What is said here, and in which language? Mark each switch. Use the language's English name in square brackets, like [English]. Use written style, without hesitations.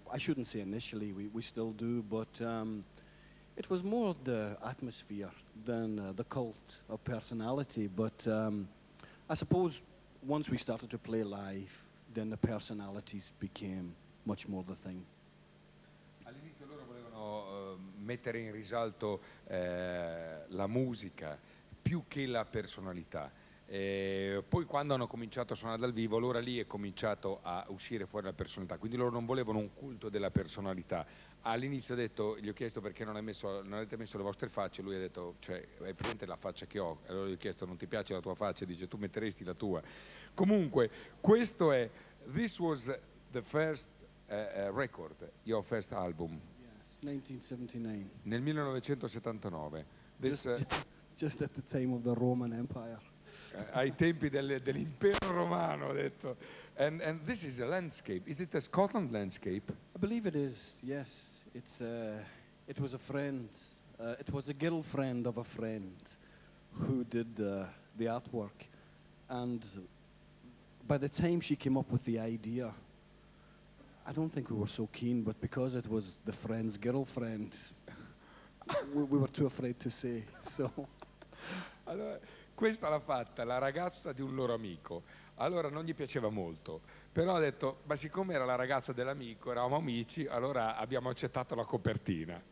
[English] I shouldn't say initially, we still do, but it was more the atmosphere than the cult of personality. But I suppose once we started to play live, then the personalities became much more the thing. [Italian] All'inizio loro volevano mettere in risalto la musica più che la personalità. Poi quando hanno cominciato a suonare dal vivo, allora lì è cominciato a uscire fuori la personalità, quindi loro non volevano un culto della personalità. All'inizio ho detto, gli ho chiesto perché non avete messo le vostre facce, lui ha detto, cioè, è presente la faccia che ho, allora gli ho chiesto, non ti piace la tua faccia? Dice, tu metteresti la tua. Comunque, questo è, [English] this was the first record, your first album. Yes, 1979. [Italian] Nel 1979. [English] This, just at the time of the Roman Empire. [Italian] Ai tempi dell'impero romano, ho detto. [English] And this is a landscape. Is it a Scotland landscape? I believe it is, yes. It was a friend. It was a girlfriend of a friend who did the artwork. And by the time she came up with the idea, I don't think we were so keen, but because it was the friend's girlfriend, we were too afraid to say, so... [Italian] Allora, questa l'ha fatta la ragazza di un loro amico, allora non gli piaceva molto, però ha detto, ma siccome era la ragazza dell'amico, eravamo amici, allora abbiamo accettato la copertina.